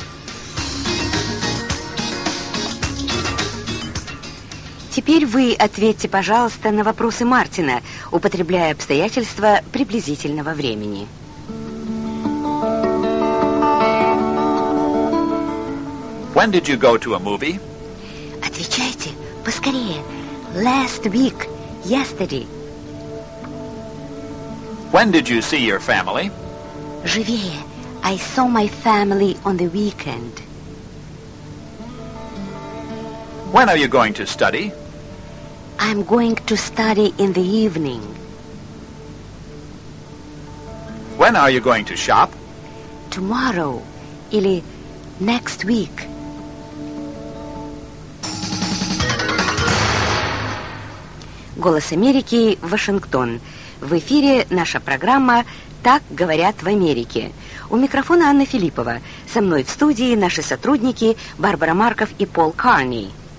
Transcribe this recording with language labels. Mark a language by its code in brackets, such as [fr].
[ru] 1. Теперь вы ответьте, пожалуйста, на вопросы Мартина, употребляя обстоятельства приблизительного времени. [en] When did you go to a movie? [ru] Отвечайте поскорее. [en] Last week, yesterday. When did you see your family? [ru] Живее. [en] I saw my family on the weekend. When are you going to study? I'm going to study in the evening. When are you going to shop? Tomorrow, [ru] или [en] next week. [ru] Голос Америки, Вашингтон. В эфире наша программа «Так говорят в Америке». У микрофона Анна Филиппова. Со мной в студии наши сотрудники Барбара Марков и Пол Карни.